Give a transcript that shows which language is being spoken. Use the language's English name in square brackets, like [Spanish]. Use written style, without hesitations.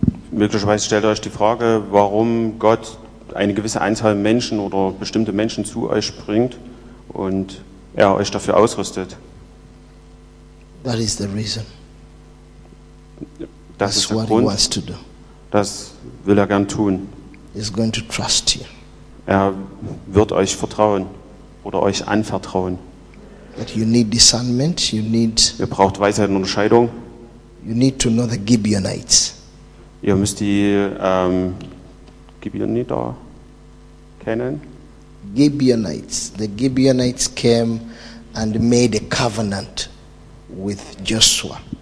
[German] Möglicherweise stellt euch die Frage, warum Gott eine gewisse Anzahl Menschen oder bestimmte Menschen zu euch bringt und er euch dafür ausrüstet. [English] That is the reason. [German] Das ist der Grund. [English] He wants to do. [German] Das will er gern tun. [English] He's going to trust you. [German] Er wird euch vertrauen oder euch anvertrauen. [English] But you need discernment, you need, [German] ihr braucht Weisheit und Unterscheidung. [English] You need to know the Gibeonites. [German] Ihr müsst die Gibeoniter kennen. [English] Gibeonites. The Gibeonites came and made a covenant with Joshua.